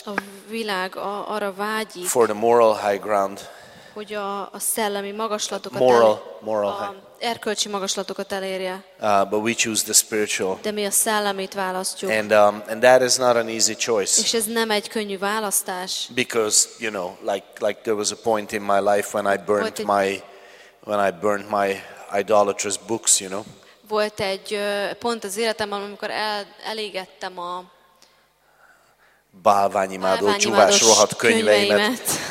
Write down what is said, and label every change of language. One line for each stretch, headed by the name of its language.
Hungarian: A világ arra vágyik.
English: For the moral high ground.
Hungarian: Hogy a szellemi magaslatokat.
English: Moral
Hungarian: erkölcsi magaslatokat elérje.
English: But we choose the spiritual.
Hungarian: De mi a szellemit választjuk.
English: And that is not an easy choice.
Hungarian: És ez nem egy könnyű választás.
English: Because you know, like there was a point in my life when I burnt my idolatrous books, you know.
Hungarian: Volt egy pont az életemben, amikor elégettem a bálványimádó csúvás rohadt könyveimet.